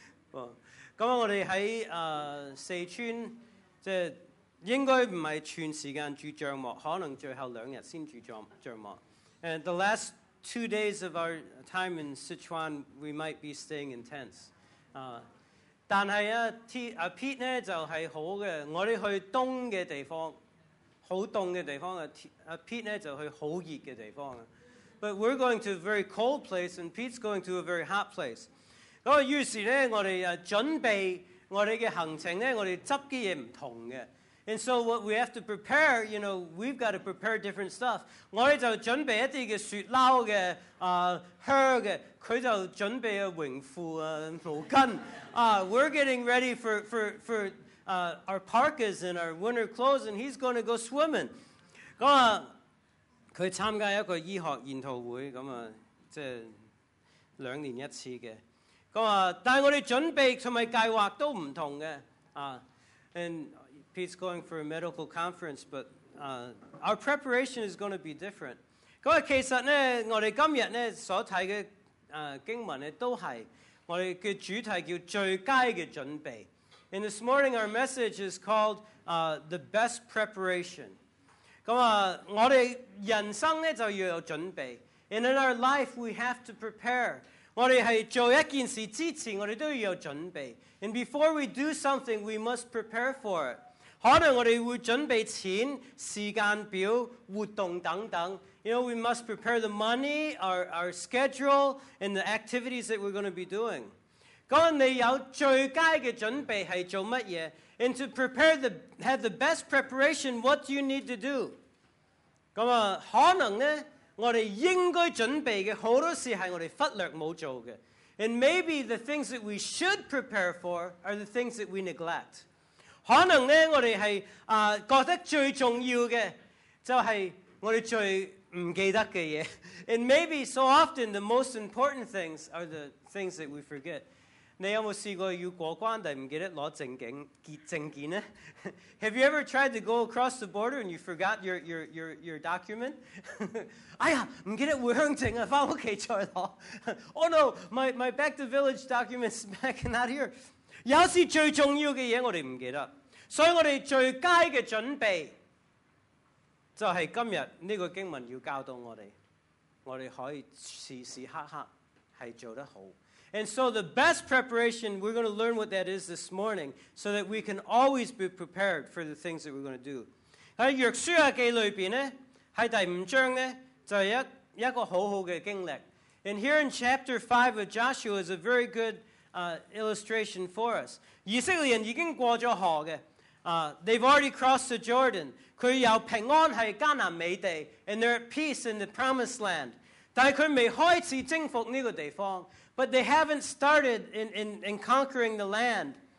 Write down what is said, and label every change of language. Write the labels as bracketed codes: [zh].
[zh] 我们在四川，就是应该不是全时间住帐幕，可能最后两天才住帐幕。 [en] And the last 2 days of our time in Sichuan, we might be staying in tents. [zh] 但是 Pete 呢，就是好的，我们去冬的地方，很冷的地方， Pete 呢，就去很热的地方。 [en] But we're going to a very cold place and Pete's going to a very hot place. [zh] 于是呢，我们准备我们的行程呢，我们执的东西不同的。 [en] And so what we have to prepare, you know, we've got to prepare different stuff. [zh] 我们就准备一些雪褛的，靴的，他就准备泳裤，毛巾。 [en] We're getting ready for our parkas and our winter clothes, and he's going to go swimming. [zh] 他参加一个医学研讨会，就是两年一次的。但我们准备和计划都不同的。 [en] And Pete's going for a medical conference, but our preparation is going to be different. [zh] 其实呢，我们今天呢所看的经文呢，都是我们的主题叫最佳的准备。 [en] And this morning, our message is called The Best Preparation. [zh] 我们人生呢就要有准备。 [en] And in our life, we have to prepare. [zh] 我们是做一件事之前，我们都要有准备。 [en] And before we do something, we must prepare for it. [zh] 可能我们会准备钱、时间表、活动等等。 [en] You know, we must prepare the money, our schedule, and the activities that we're going to be doing. [zh] 你有最佳的准备是做什么？ [en] And to prepare have the best preparation, what do you need to do? [zh] 可能呢，我们应该准备的很多事是我们忽略没做的。 [en] And maybe the things that we should prepare for are the things that we neglect. [zh] 可能呢，我们是觉得最重要的就是我们最不记得的东西。 [en] And maybe so often the most important things are the things that we forget. [zh] 你有没有试过要过关但不记得拿证件呢？ [en] Have you ever tried to go across the border and you forgot your document? [zh] 哎呀，不记得回乡证啊，回家再拿。 [en] Oh no, my back to village documents back in that here. [zh] 有时最重要的东西我们不记得，所以我们最佳的准备就是今天这个经文要教导我们，我们可以时时刻刻是做得好。 [en] And so the best preparation, we're going to learn what that is this morning, so that we can always be prepared for the things that we're going to do. [zh] 在约书亚记里面呢，在第五章呢，就是一个很好的经历。 [en] And here in chapter 5 of Joshua is a very good illustration for us. [zh] 以色列人已经过了河的， [en] they've already crossed the Jordan. [zh] 他有平安在迦南美地， [en] and they're at peace in the promised land. [zh] 但他没开始征服这个地方。 [en] But they haven't started in conquering the land.